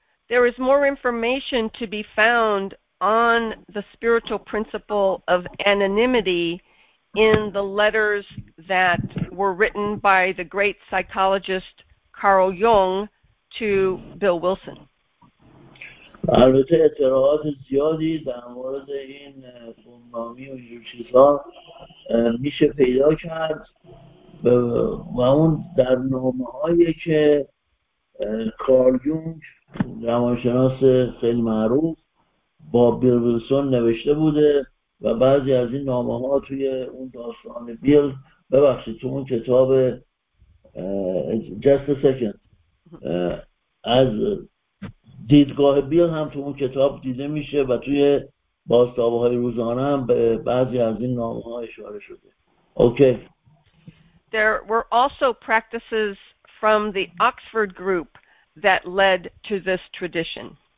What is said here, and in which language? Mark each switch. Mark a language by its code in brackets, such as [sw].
[en] There is more information to be found on the spiritual principle of anonymity in the letters that were written by the great psychologist Carl Jung to Bill Wilson. [fa] البته اطلاعات زیادی در مورد این گمنامی و اینجور چیزها میشه پیدا کرد و اون در نامه‌هایی که کارل یونگ روانشناس خیلی معروف با بیل ویلسون نوشته بوده و بعضی از این نامه ها توی اون داستان بیل ببخشید تو اون کتاب [en] Just a Second [fa] از دیدگاه بیل هم تو اون کتاب دیده میشه و توی بازتابه های روزانه هم به بعضی از این نامه ها اشاره شده. اوکی. [en] There were also practices from the Oxford group that led to this tradition.